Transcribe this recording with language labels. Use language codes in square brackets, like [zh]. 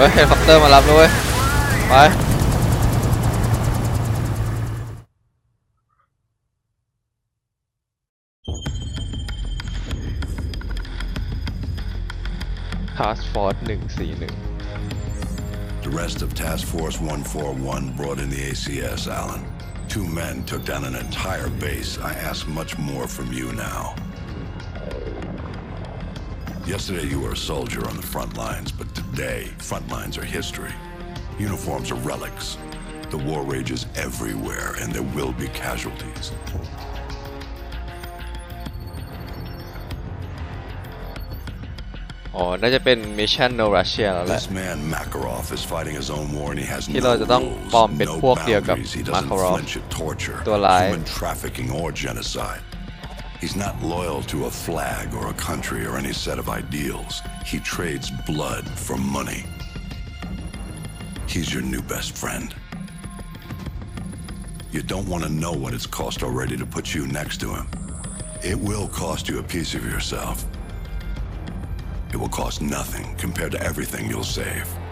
[th] คอปเตอร์มารับด้วยไปทาสฟอร์ส141 [en] The rest of Task Force 141 brought in the ACS, Alan. Two men took down an entire base. I ask much more from you now. Yesterday you were a soldier on the front lines, but today, front lines are history. Uniforms are relics. The war rages everywhere, and there will be casualties. [th] อ๋อน่าจะเป็น Mission No Russia แล้วแหละ [en] This man Makarov is fighting his own war and he has [th] ที่เราจะต้องปลอมเป็นพวกเดียวกับ Makarov ตัวร้าย [en] Human trafficking or genocide He's not loyal to a flag or a country or any set of ideals He trades blood for money He's your new best friend You don't want to know what it's cost already to put you next to him It will cost you a piece of yourselfIt will cost nothing compared to everything you'll save.